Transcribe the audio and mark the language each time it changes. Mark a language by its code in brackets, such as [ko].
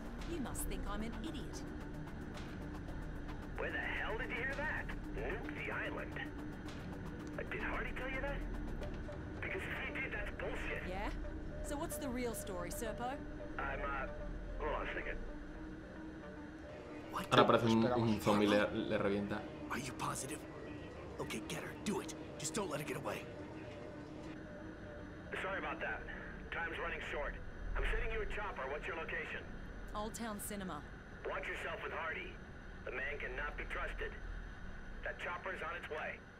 [en] You must think I'm an idiot. Where the hell did you hear that? Nuke the island. Did Hardy tell you that? Because if he did, that's bullshit. Yeah? So what's the real story, Serpo? Hold on a second. What? [es] Ahora parece un zombie le revienta. [en] Are you positive? Okay, get her. Do it. Just don't let her get away. Sorry about that. Time's running short. I'm sending you a chopper. What's your location? Old Town Cinema. Watch yourself with Hardy. The man cannot be trusted. That chopper is on its way.